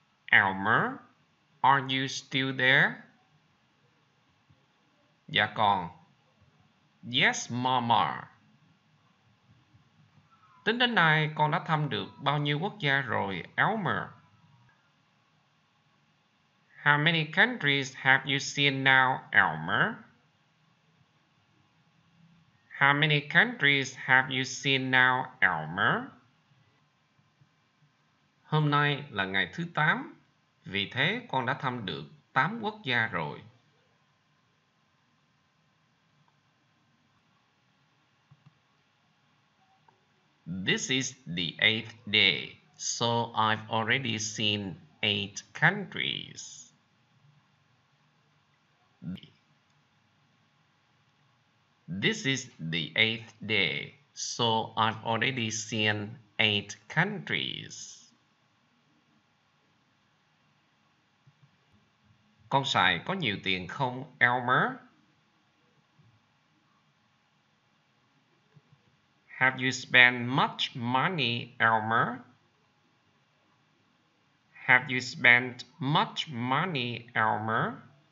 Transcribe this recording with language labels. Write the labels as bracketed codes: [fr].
[en] Elmer, are you still there? [vi] Dạ còn. [en] Yes, Mama. [vi] Tính đến nay, con đã thăm được bao nhiêu quốc gia rồi, Elmer? [en] How many countries have you seen now, Elmer? How many countries have you seen now, Elmer? [vi] Hôm nay là ngày thứ 8, vì thế con đã thăm được 8 quốc gia rồi. [en] This is the 8th day, so I've already seen 8 countries. This is the 8th day, so I've already seen 8 countries. [vi] Con xài có nhiều tiền không, Elmer? [en] Have you spent much money, Elmer? Have you spent much money, Elmer?